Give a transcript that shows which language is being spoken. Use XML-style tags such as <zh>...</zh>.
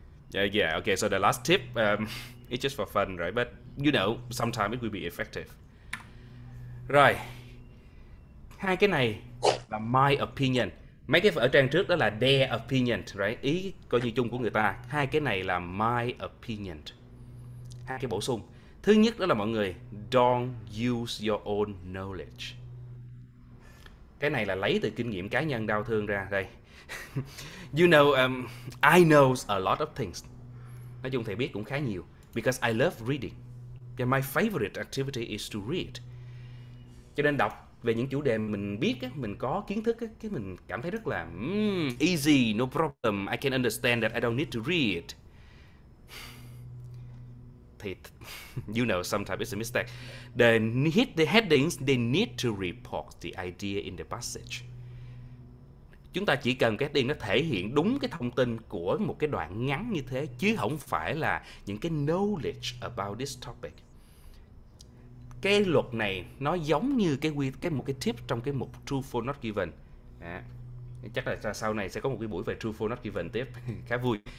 <en>Yeah, okay, so the last tip, it's just for fun, right? But you know, sometimes it will be effective.</en> <vi>Rồi, hai cái này là</vi> <en>my opinion.</en> <vi>Mấy cái ở trang trước đó là</vi> <en>their opinion, right?</en> <vi>Ý coi như chung của người ta. Hai cái này là</vi> <en>my opinion.</en> <vi>Hai cái bổ sung. Thứ nhất đó là mọi người,</vi> <en>don't use your own knowledge.</en> <vi>Cái này là lấy từ kinh nghiệm cá nhân đau thương ra đây.</vi> <en>You know, I know a lot of things.</en> <vi>Nói chung thầy biết cũng khá nhiều.</vi> <en>Because I love reading. And my favorite activity is to read.</en> <vi>Cho nên đọc về những chủ đề mình biết, mình có kiến thức, cái mình cảm thấy rất là</vi> <en>easy, no problem. I can understand that I don't need to read. Thì, you know, sometimes it's a mistake. They hit the headings, they need to report the idea in the passage.</en> <vi>Chúng ta chỉ cần cái heading nó thể hiện đúng cái thông tin của một cái đoạn ngắn như thế, chứ không phải là những cái</vi> <en>knowledge about this topic.</en> <vi>Cái luật này nó giống như một cái tip trong cái mục Truthful Not Given. À, chắc là sau này sẽ có một cái buổi về Truthful Not Given tiếp, khá vui.</vi>